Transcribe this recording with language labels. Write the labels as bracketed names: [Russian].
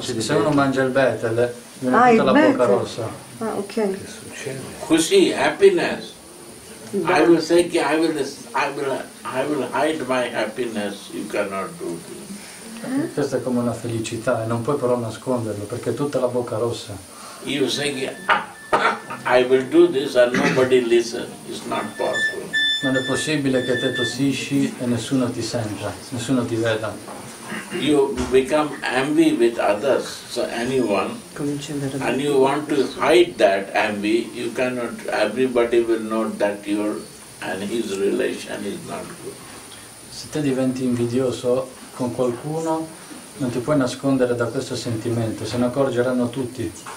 [Italian] Se uno mangia il betel, viene tutta la bocca rossa. Ah, ok. Che succede? Così, [English] happiness. I will say I will hide my happiness, you cannot do this. [Italian] Questa è come una felicità e non puoi però nasconderlo perché tutta la bocca rossa. [English] You say I will do this and nobody listen. It's not possible. [Italian] Non è possibile che te tossisci e nessuno ti senta, nessuno ti veda. [English] You become envy with others, so anyone, and you want to hide that envy, you cannot, everybody will know that your and his relation is not good. [Italian] Se te diventi invidioso con qualcuno, non ti puoi nascondere da questo sentimento, se ne accorgeranno tutti.